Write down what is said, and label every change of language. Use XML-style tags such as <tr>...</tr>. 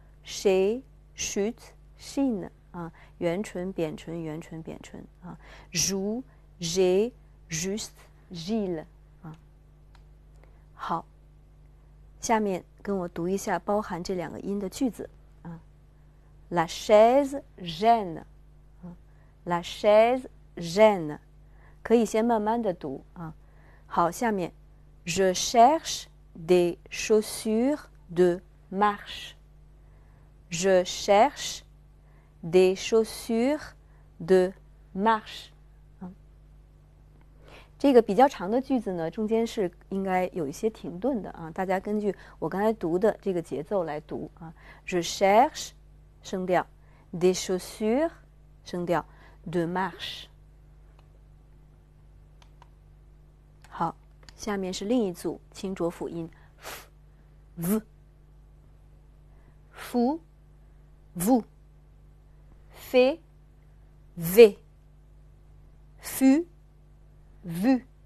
<fr>she, chute, chine。</fr> <zh>啊，圆唇、扁唇、圆唇、扁唇啊</zh> <fr>，ju, je, juste, gile 啊。</fr> <zh>好，下面跟我读一下包含这两个音的句子啊。</zh> <fr>La chaise gêne, la chaise gêne,</fr> <zh>可以先慢慢的读啊。好，下面</zh> <fr>，je cherche des chaussures de marche, je cherche。 Des chaussures de marche。</fr> <zh>这个比较长的句子呢，中间是应该有一些停顿的啊。大家根据我刚才读的这个节奏来读啊。</zh> <fr>Je cherche，</fr> <zh>声调</zh> <fr>；des chaussures， 声调 ；de marche。</fr> <zh>好，下面是另一组清浊辅音 ，f，v，fu，vu。</zh> <fr>Fait, v, fut, vu,</fr>